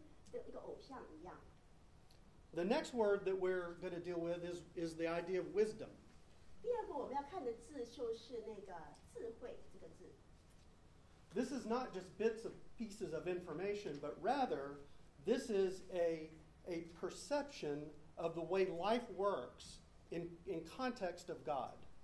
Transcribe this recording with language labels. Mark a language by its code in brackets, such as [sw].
[zh] 事实上，那个原文是说哈，有尊敬，有哇敬畏，有觉得很感叹，就是像孩子去看父亲的一个偶像一样。 [en] The next word that we're going to deal with is the idea of wisdom. [zh] 第二个我们要看的字就是那个智慧这个字。 [en] This is not just bits of pieces of information, but rather, this is a perception of the way life works in context of God.